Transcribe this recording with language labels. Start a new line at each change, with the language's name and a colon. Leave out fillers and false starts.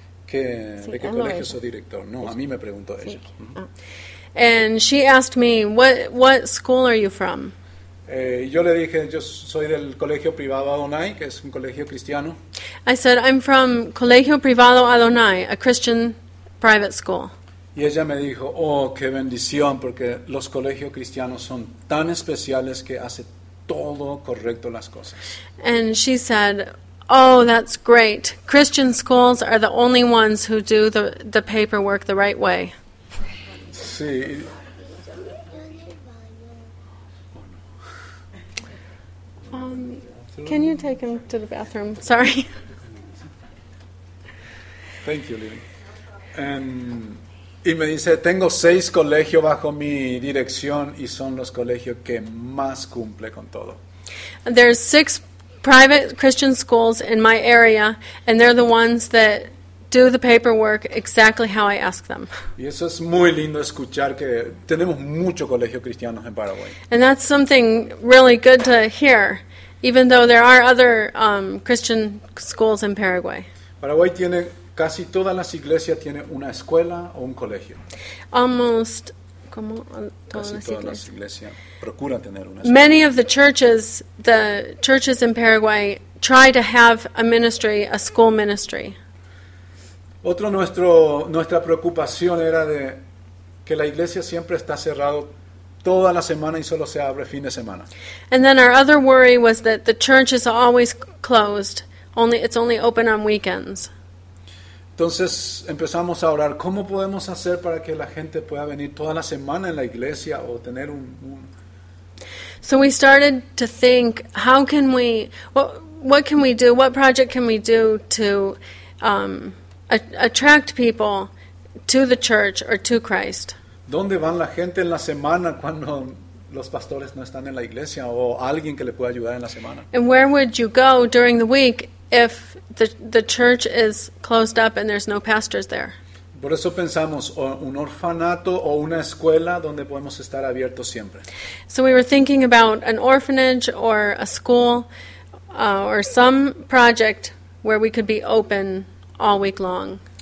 Spanish: ¿De qué colegio sos director? No, a mí me preguntó ella.
English: And she asked me, what school are you from?
Spanish: Yo le dije, yo soy del colegio privado Adonai, que es un colegio cristiano.
English: I said, I'm from Colegio Privado Adonai, a Christian private school.
Spanish: Y ella me dijo, oh, qué bendición, porque los colegios cristianos son tan especiales que hace todo correcto las cosas.
English: And she said, oh, that's great. Christian schools are the only ones who do the paperwork the right way.
Spanish: Sí.
English: Can you take him to the bathroom? Sorry. Thank you, Lily.
Spanish: Y me dice, tengo 6 colegios bajo mi dirección y son los colegios que más cumple con todo.
English: There's 6 private Christian schools in my area, and they're the ones that do the paperwork exactly how I ask them.
Spanish: Y eso es muy lindo escuchar que tenemos muchos colegios cristianos en Paraguay.
English: And that's something really good to hear. Even though there are other Christian schools in Paraguay.
Spanish: Paraguay tiene casi todas las iglesias tiene una escuela o un colegio.
English: Almost como
Spanish: todas las iglesias.
English: Many of the churches in Paraguay try to have a ministry, a school ministry.
Spanish: Otro nuestro nuestra preocupación era de que la iglesia siempre está cerrado toda la semana y solo se abre fin de semana.
English: And then our other worry was that the church is always closed. It's only open on weekends.
Spanish: Entonces empezamos a orar, ¿cómo podemos hacer para que la gente pueda venir toda la semana en la iglesia o tener un...
English: So we started to think, how can we, what can we do, what project can we do to attract people to the church or to Christ?
Spanish: ¿Dónde van la gente en la semana cuando los pastores no están en la iglesia o alguien que le pueda ayudar en la semana?
English: And where would you go during the week if the church is closed up and there's no pastors there?
Spanish: Por eso pensamos un orfanato o una escuela donde podemos estar abiertos siempre.
English: So we were thinking about an orphanage or a school or some project where we could be open all week long.